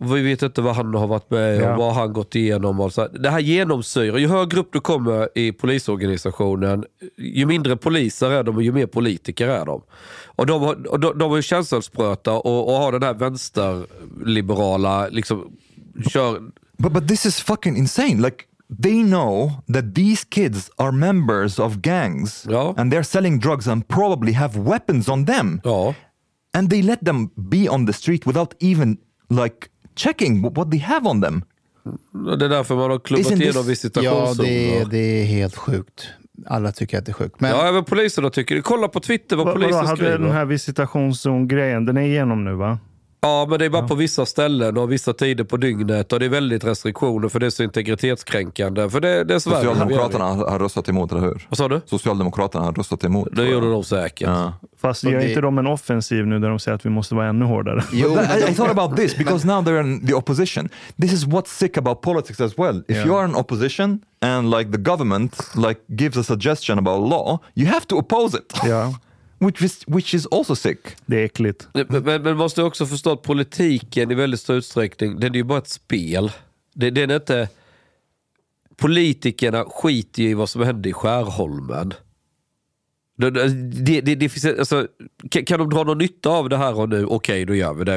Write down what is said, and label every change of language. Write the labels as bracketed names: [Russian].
[Swedish] Vi vet inte vad han har varit med och vad han gått igenom. Och så. Det här genomsyrar. Ju högre upp du kommer i polisorganisationen, ju mindre poliser är de och ju mer politiker är de. Och de är känselspröta och har den här vänsterliberala liksom, kör... [English] But this is fucking insane. Like, they know that these kids are members of gangs and they're selling drugs and probably have weapons on them. [Swedish] Ja. [English] And they let them be on the street without even like checking what they have on them. [Swedish] Det är därför man har klubbat igenom visitationszoner. Ja, det är helt sjukt. Alla tycker att det är sjukt. Men... Ja, även poliserna tycker. Kolla på Twitter vad poliser skriver. Hade den här visitationszon-grejen, den är igenom nu va? Ja, men det är bara på vissa ställen och vissa tider på dygnet och det är väldigt restriktioner för det är så integritetskränkande. För det är så Socialdemokraterna har röstat emot, eller hur? Vad sa du? Socialdemokraterna har röstat emot. Det gjorde de säkert. Ja. Fast gör inte de en offensiv nu där de säger att vi måste vara ännu hårdare? [English] Jo, I thought about this because now they're in the opposition. This is what's sick about politics as well. If you are in opposition and like the government like gives a suggestion about law, you have to oppose it. [Swedish] Ja. [English] Which is also sick. [Swedish] Det är äckligt. Men måste också förstå att politiken i väldigt stor utsträckning, det är ju bara ett spel. Det är inte... Politikerna skiter ju i vad som händer i Skärholmen. Det finns, alltså, kan de dra någon nytta av det här och nu? Okej, då gör vi det.